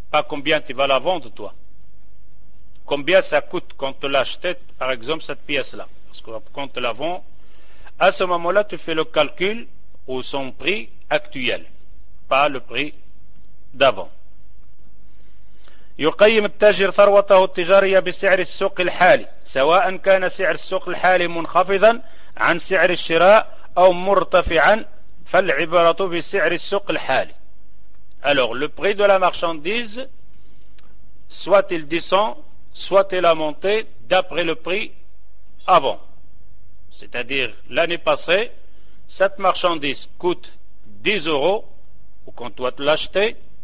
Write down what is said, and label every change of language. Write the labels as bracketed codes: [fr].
[fr] pas combien tu vas la vendre, toi. Combien ça coûte quand tu l'achètes, par exemple, cette pièce-là. Parce que quand tu la vends, à ce moment-là, tu fais le calcul ou son prix actuel, pas le prix d'avant. [ar] يقيم التاجر ثروته التجارية بسعر السوق الحالي سواء كان سعر السوق الحالي منخفضا عن سعر الشراء أو مرتفعا فالعبرة بسعر السوق الحالي. [fr] Alors le prix de la marchandise soit il descend soit il a monté d'après le prix avant. C'est-à-dire l'année passée cette marchandise coûte 10 euros quand tu dois l'acheter.